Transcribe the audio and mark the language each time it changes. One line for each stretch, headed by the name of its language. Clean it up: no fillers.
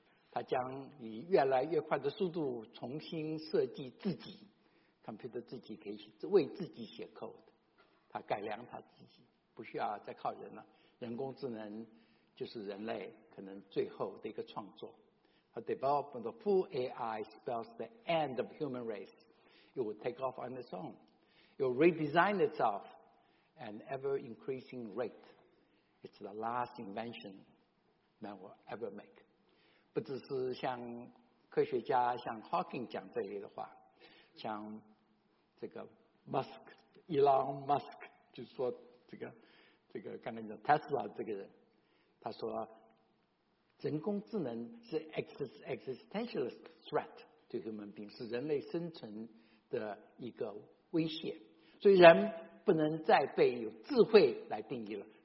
Chinese: 他将以越来越快的速度重新设计自己。 Computer 自己可以为自己写 code， 他改良他自己，不需要再靠人了。人工智能就是人类可能最后的一个创作。
English: A development of full AI spells the end of human race. It will take off on its own. It will redesign itself at an ever increasing rate. It's the last invention man will ever make.
Chinese: 不只是像科学家像 Hawking 讲这类的话，像这个 Musk， Elon Musk， 就是说这个刚刚讲 Tesla 这个人，他说人工智能是
English: existentialist threat to human beings，
Chinese: 是人类生存的一个威胁，所以人不能再被有智慧来定义了。